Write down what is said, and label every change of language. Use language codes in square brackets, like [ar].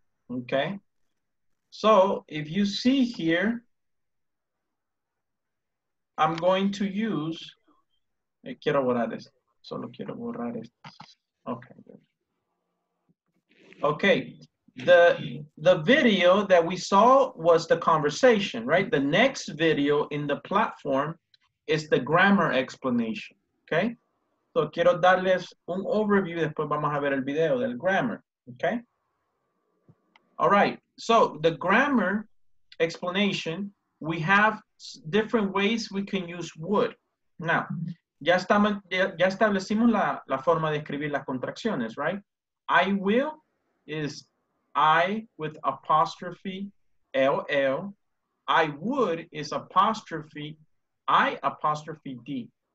[en] Okay, So if you see here, I'm going to use, [es] quiero borrar esto, solo quiero borrar esto. [en] Okay. Okay, the video that we saw was the conversation, right? The next video in the platform is the grammar explanation, okay? [es] So quiero darles un overview, después vamos a ver el video del grammar, okay? [en] All right, so the grammar explanation, we have different ways we can use would. [es] Now, ya establecimos la forma de escribir las contracciones, right? [en] I will is I with apostrophe LL. I would is apostrophe I apostrophe D.